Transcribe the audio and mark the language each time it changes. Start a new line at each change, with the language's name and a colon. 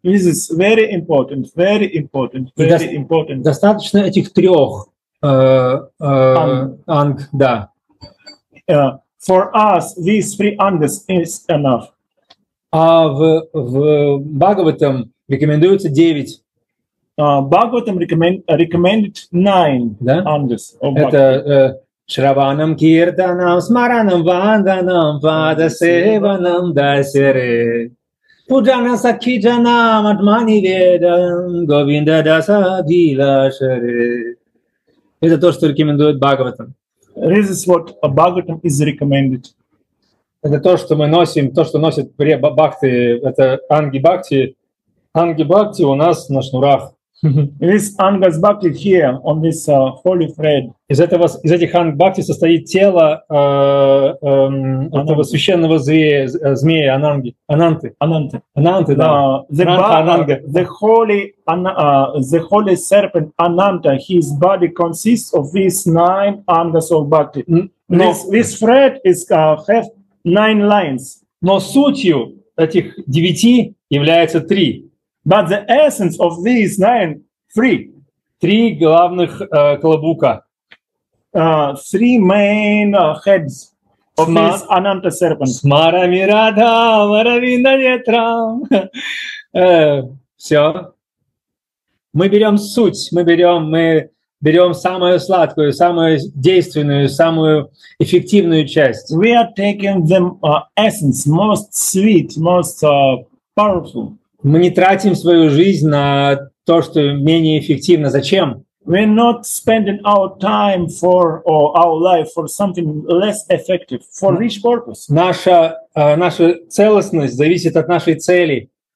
English: This is very important, very important, very important.
Russian: Достаточно этих трех анг, да.
English: For us, these three angas is enough.
Russian: А в Бхагаватам рекомендуется 9.
English: Бхагаватам recommended 9 ангас.
Russian: Это
Sanskrit: Шраванам, Киртанам, Смаранам, Ванданам, Вада Севанам, Дасере. Пуджана Сакхиджанам, Атмани Ведам, Говинда Даса Вилашаре.
Russian: Это то, что рекомендует Бхагаватам.
English: This is what Бхагаватам is recommended.
Russian: Это то, что мы носим, то, что носят пребхакти, это анги бхакти. Анги бхакти у нас на шнурах.
English: This angas bhakti here on this holy thread.
Russian: Из этих анг бхакти состоит тело этого священного змея ананги, ананты. Ананты. Ананты, да.
English: The holy serpent ananta, his body consists of these 9 angas of bhakti. This thread is half 9 lines.
Russian: Но сутью этих 9 является 3.
English: But the essence of these 9, 3.
Russian: 3 главных клобука.
English: 3 main heads of this Ananta serpent.
Sanskrit: Смарами рада, маравина нетра.
Russian: Все. Мы берем суть, мы берем самую сладкую, самую действенную, самую эффективную часть.
English: We are taking the essence, most sweet, most powerful.
Russian: Мы не тратим свою жизнь на то, что менее эффективно. Зачем?
English: We are not spending our time for or our life for something less effective. For which purpose?
Russian: Наша целостность зависит от нашей цели.